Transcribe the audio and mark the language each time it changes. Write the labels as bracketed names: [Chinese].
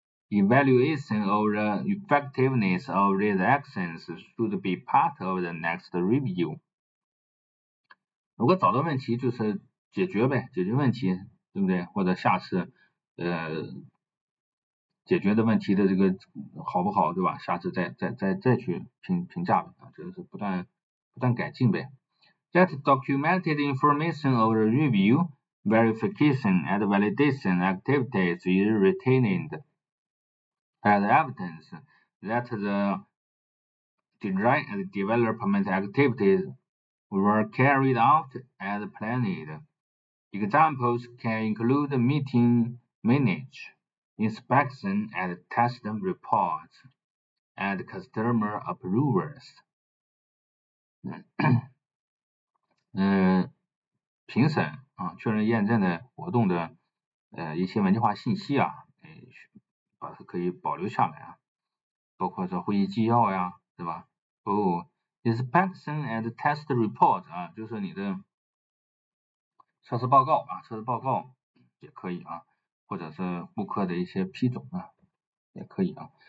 [English] Evaluation of the effectiveness of these actions should be part of the next review. [Chinese] 如果找到问题就是解决呗，解决问题，对不对？或者下次解决的问题的这个好不好，对吧？下次再去评价呗，啊，就是不断改进呗。 [English] That documented information of the review, verification and validation activities is retained as evidence that the design and development activities were carried out as planned. Examples can include meeting minutes, inspection and test reports, and customer approvals. [Chinese] 评审啊，确认验证的活动的一些文件化信息啊，把它可以保留下来啊，包括说会议纪要呀，对吧？哦 ， [English] inspection and test report [Chinese] 啊，就是你的测试报告啊，测试报告也可以啊，或者是顾客的一些批准啊，也可以啊。